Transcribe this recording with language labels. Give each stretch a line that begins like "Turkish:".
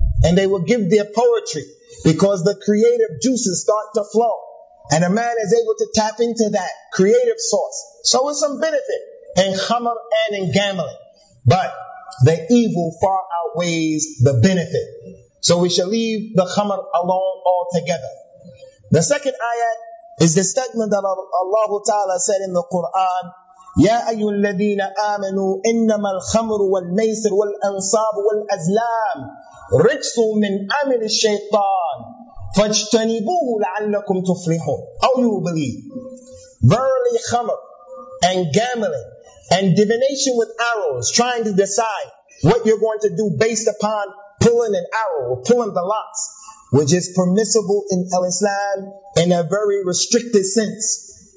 English: And they would give their poetry because the creative juices start to flow. And a man is able to tap into that creative source. So it's some benefit in khamr and in gambling. But the evil far outweighs the benefit. So we shall leave the khamr alone altogether. The second ayat is the statement that Allah Ta'ala said in the Quran,
Arabic: يَا أَيُّ الَّذِينَ آمَنُوا إِنَّمَا الْخَمْرُ وَالْمَيْسِرُ وَالْأَنْصَابُ وَالْأَزْلَامُ رِجْسُ مِنْ أَمِرِ الشَّيْطَانِ فَاجْتَنِبُوهُ لَعَلَّكُمْ تُفْلِحُونَ.
English: Oh, you will believe. Verily khamr and gambling and divination with arrows, trying to decide what you're going to do based upon pulling an arrow or pulling the lots, which is permissible in al-Islam in a very restricted sense.